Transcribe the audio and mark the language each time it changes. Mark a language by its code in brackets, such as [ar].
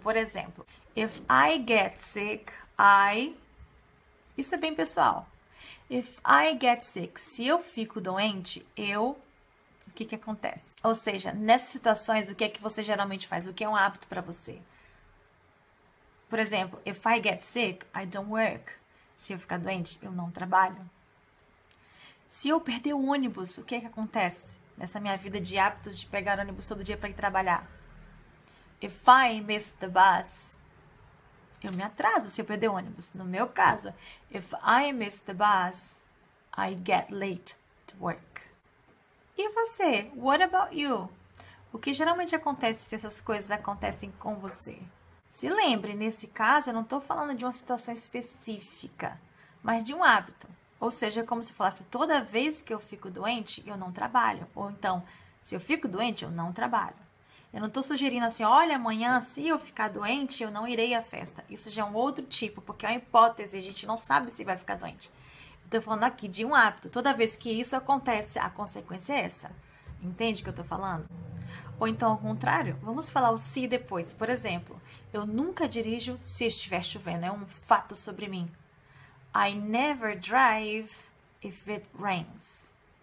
[pt] Por exemplo, [en] if I get sick, I. [pt] Isso é bem pessoal. [en] If I get sick, [pt] se eu fico doente, eu. O que que acontece? Ou seja, nessas situações, o que é que você geralmente faz? O que é um hábito para você? Por exemplo, [en] if I get sick, I don't work. [pt] Se eu ficar doente, eu não trabalho. Se eu perder o ônibus, o que é que acontece nessa minha vida de hábitos de pegar ônibus todo dia para ir trabalhar? [en] If I miss the bus, [pt] eu me atraso se eu perder o ônibus. No meu caso, [en] if I miss the bus, I get late to work. [pt] E você? [en] What about you? [pt] O que geralmente acontece se essas coisas acontecem com você? Se lembre, nesse caso, eu não estou falando de uma situação específica, mas de um hábito. Ou seja, como se falasse: toda vez que eu fico doente, eu não trabalho. Ou então, se eu fico doente, eu não trabalho. Eu não estou sugerindo assim: olha, amanhã, se eu ficar doente, eu não irei à festa. Isso já é um outro tipo, porque é uma hipótese, a gente não sabe se vai ficar doente. Estou falando aqui de um hábito. Toda vez que isso acontece, a consequência é essa. Entende o que eu estou falando? Ou então, ao contrário, vamos falar o se depois. Por exemplo, eu nunca dirijo se estiver chovendo. É um fato sobre mim. [en] I never drive if it rains.